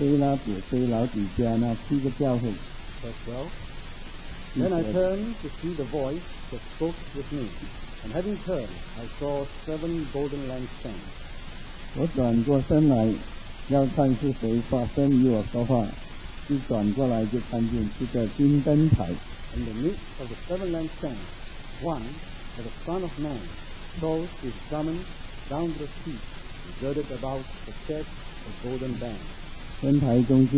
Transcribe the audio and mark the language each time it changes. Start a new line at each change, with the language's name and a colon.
Chinese: 你所看见的章写在书上，达以以斯所是美娜加贝加摩菲亚菲拉加迪菲拉比菲老底加那七个教会。
English: Then I turned to see the voice that spoke with me, and having turned, I saw seven golden lampstands.
Chinese: 我转过身来，要看是谁发声与我说话。一转过来就看见七个金灯台。
English: In the midst of the seven lampstands, one, as the Son of Man, shows his garment down to the feet, girded about the chest of golden bands.